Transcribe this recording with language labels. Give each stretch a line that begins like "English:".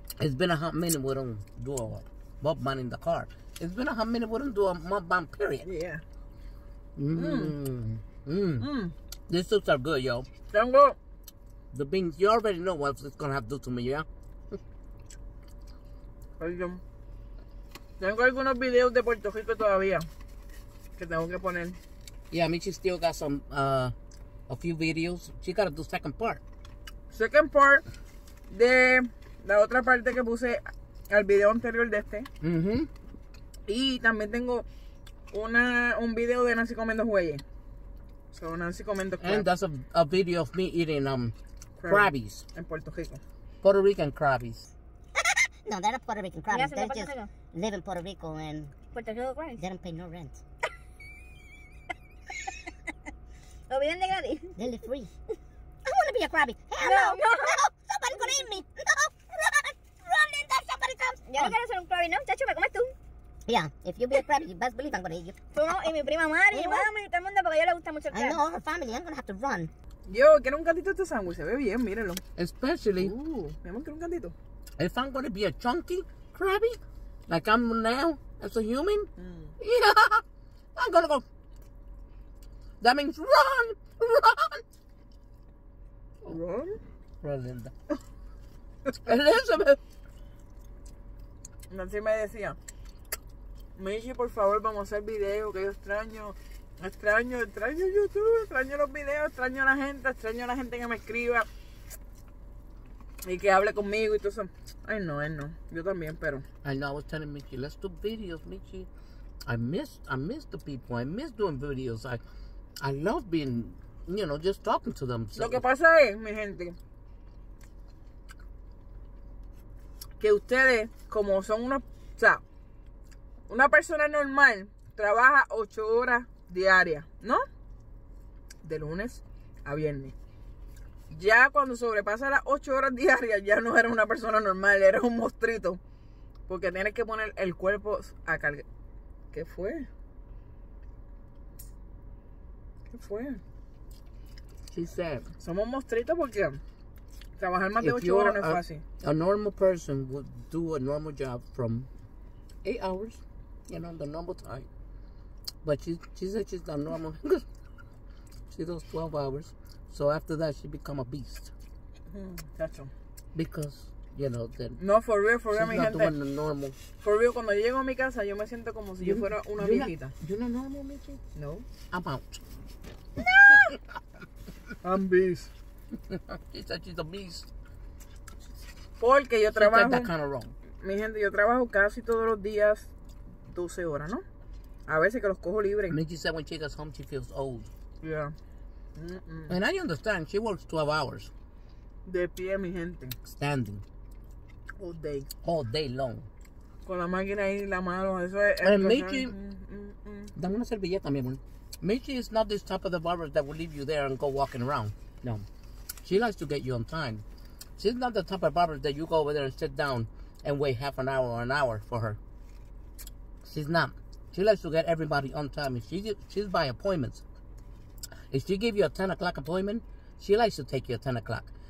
English: It's been a hot minute we don't do a mukbang in the car. It's been a hot minute we don't do a mukbang, period. Yeah. Mmm. Mmm. Mm. These soups are good, yo. Thank God. The beans, you already know what it's gonna have to do to me, yeah?
Spanish: Tengo algunos videos de Puerto Rico todavía que tengo que poner.
English: Yeah, Michi still got some a few videos. She gotta do second part. Second part
Spanish: de la otra parte que puse al video anterior de este. Mm-hmm. Y también tengo un video de Nancy comiendo jueyes. So Nancy comiendo
English: crab. And that's a video of me eating crabbies.
Spanish: En Puerto Rico.
English: Puerto Rican crabbies. No, they're not Puerto Rican crabbies. They just live in Puerto Rico and Puerto Rico crabbies. They don't pay no rent.
Spanish: ¿Lo viven de gratis?
English: They live free. I want to be a crabby. Hello. No, somebody could eat me. No, run in there, somebody comes.
Spanish: Yo no quiero ser un crabby, ¿no? Chacho, ¿me comes tú?
English: Yeah, if you be a crabby, you best believe I'm going to eat you.
Spanish: Tú no, y mi prima Mari, y mami, y todo el mundo, porque a ella le gusta mucho el crab.
English: I know, all her family, I'm going to have to run.
Spanish: Yo, quiero un cantito de tu sándwich. Se ve bien, mírenlo.
English: Especially.
Spanish: Mi amor, quiero un cantito.
English: If I'm going to be a chunky crabby, like I'm now, as a human, yeah, I'm going to go. That means run, run. Run? Rosalinda. Elizabeth.
Spanish: Nancy me decía, Michi, por favor, vamos a hacer video, que yo extraño. Extraño YouTube, extraño los videos, extraño a la gente que me escriba. Y que hable conmigo y todo eso. Ay, no, ay, no. Yo también, pero...
English: I know, I was telling Michi, let's do videos, Michi. I miss the people. I miss doing videos. I love being, you know, just talking to them.
Spanish: So. Lo que pasa es, mi gente, que ustedes, como son una... O sea, una persona normal trabaja 8 horas diarias, ¿no? De lunes a viernes. Ya cuando sobrepasa las 8 horas diarias, ya no eres una persona normal, eres un monstruito. Porque tienes que poner el cuerpo a cargar. ¿Qué fue?
English: She said.
Spanish: Somos monstruitos porque trabajar más de 8 horas no es fácil.
English: A normal person would do a normal job from 8 hours, you know, the normal time. But she said she's not normal. She does 12 hours. So after that, she become a beast.
Spanish: Chacho.
English: Because, you know, then... No, for real,
Spanish: mi gente.
English: She's not doing the normal. For real,
Spanish: cuando yo llego a mi casa, yo me siento como si yo fuera una viejita.
English: You're not normal, Michi? No. I'm out. No! I'm beast. She said she's a beast.
Spanish: Porque yo trabajo...
English: She said that kind of wrong.
Spanish: Mi gente, yo trabajo casi todos los días 12 horas, ¿no? A veces que los cojo libres.
English: Michi said when she gets home, she feels old. Yeah. Mm-mm. And I understand, she works 12 hours.
Spanish: De pie, mi gente.
English: Standing. All day. All day long.
Spanish: Con la máquina ahí, la mano, eso es...
English: And Michi...
Spanish: Dame una servilleta, mi amor.
English: Michi is not this type of the barber that will leave you there and go walking around. No. She likes to get you on time. She's not the type of barber that you go over there and sit down and wait half an hour or an hour for her. She's not. She likes to get everybody on time. She's by appointments. If she gives you a 10 o'clock appointment, she likes to take you at 10 o'clock.